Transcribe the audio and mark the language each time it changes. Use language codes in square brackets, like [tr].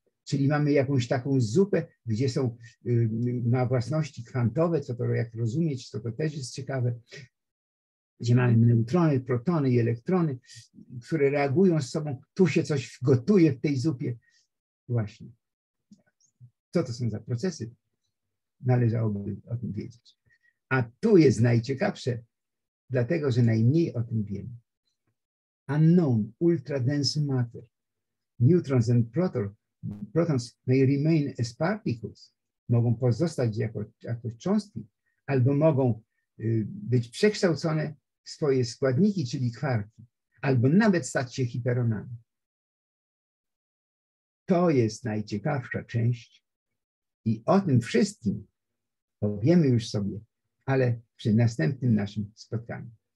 [pl] Czyli mamy jakąś taką zupę, gdzie są ma własności kwantowe, co to jak rozumieć, co to też jest ciekawe, gdzie mamy neutrony, protony i elektrony, które reagują z sobą, tu się coś gotuje w tej zupie. Właśnie. Co to są za procesy? Należałoby o tym wiedzieć. A tu jest najciekawsze, dlatego że najmniej o tym wiemy. [en] Unknown, ultra-dense matter. Neutrons and protons may remain as particles. [pl] Mogą pozostać jako cząstki, albo mogą być przekształcone w swoje składniki, czyli kwarki, albo nawet stać się hiperonami. To jest najciekawsza część i o tym wszystkim powiemy już sobie, ale przy następnym naszym spotkaniu.